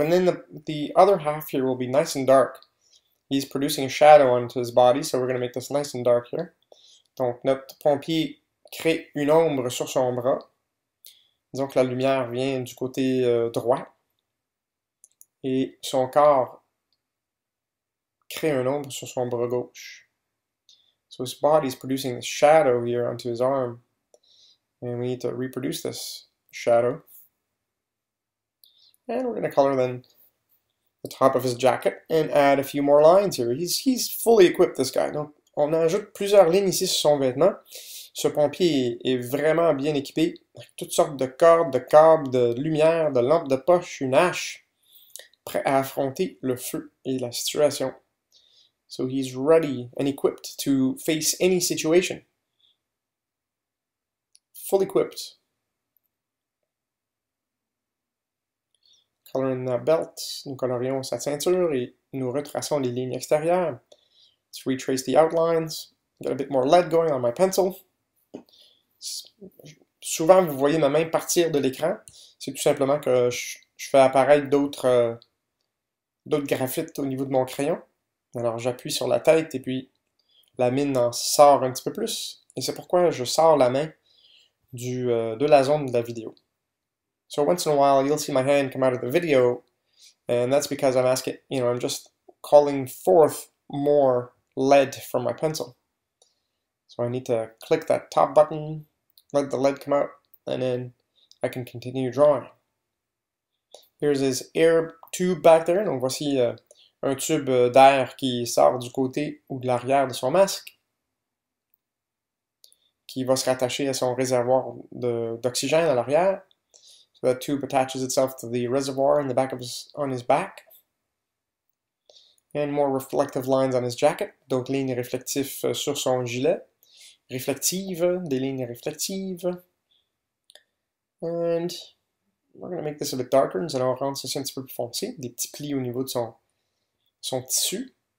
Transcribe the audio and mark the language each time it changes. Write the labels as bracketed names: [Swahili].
[English] And then the other half here will be nice and dark. He's producing a shadow onto his body, so we're going to make this nice and dark here. [French] Donc, notre pompier crée une ombre sur son bras. Disons que la lumière vient du côté droit. Et son corps crée une ombre sur son bras gauche. [English] So his body is producing this shadow here onto his arm. And we need to reproduce this shadow. And we're going to color then the top of his jacket and add a few more lines here. He's fully equipped, this guy. [French] Donc, on ajoute plusieurs lignes ici sur son vêtement. Ce pompier est vraiment bien équipé. Toutes sortes de cordes, de câbles, de lumière, de lampes de poche, une hache. Prêt à affronter le feu et la situation. [English] So he's ready and equipped to face any situation. Fully equipped. [French] Alors, une belt, nous colorions sa ceinture et nous retraçons les lignes extérieures. [English] Let's retrace the outlines. Got a bit more lead going on my pencil. [French] Souvent, vous voyez ma main partir de l'écran. C'est tout simplement que je fais apparaître d'autres graphites au niveau de mon crayon. Alors, j'appuie sur la tête et puis la mine en sort un petit peu plus. Et c'est pourquoi je sors la main de la zone de la vidéo. [English] So once in a while, you'll see my hand come out of the video, and that's because I'm asking, you know, I'm just calling forth more lead from my pencil. So I need to click that top button, let the lead come out, and then I can continue drawing. Here's his air tube back there. [French] Donc voici un tube d'air qui sort du côté ou de l'arrière de son masque, qui va se rattacher à son réservoir d'oxygène à l'arrière. [English] So that tube attaches itself to the reservoir in the back of his back. And more reflective lines on his jacket. [French] Donc, lignes réflectives sur son gilet. Réflectives, des lignes réflectives. [English] And we're going to make this a bit darker. [French] Nous allons rendre ceci un petit peu plus foncé. Des petits plis au niveau de son tissu.